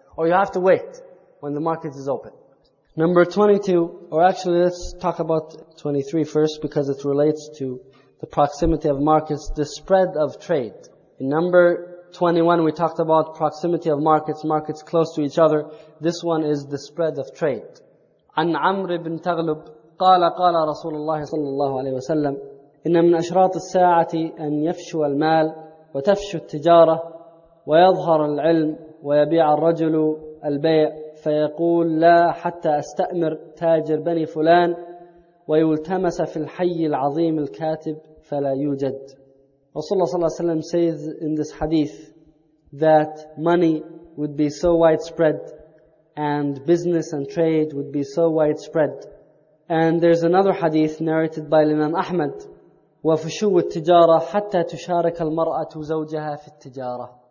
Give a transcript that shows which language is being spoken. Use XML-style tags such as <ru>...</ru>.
<en>Or you have to wait when the market is open. Number 22, or actually let's talk about 23 first because it relates to the proximity of markets, the spread of trade. In number 21 we talked about proximity of markets, markets close to each other. This one is the spread of trade.</en> <ar>عن عمر بن تغلب قال قال رسول الله صلى الله عليه وسلم إن من أشراط الساعة أن يفشو المال وتفشو التجارة ويظهر العلم ويبيع الرجل البيع فيقول لا حتى أستأمر تاجر بني فلان ويلتمس في الحي العظيم الكاتب فلا يوجد. رسول الله صلى الله عليه وسلم</ar> <en>says in this hadith that money would be so widespread and business and trade would be so widespread. And there's another hadith narrated by Imam Ahmad,</en> <ar>وَفُشُوُ التِّجَارَةِ حَتَّى تُشَارَكَ الْمَرْأَةُ زَوْجَهَا فِي التِّجَارَةِ.</ar>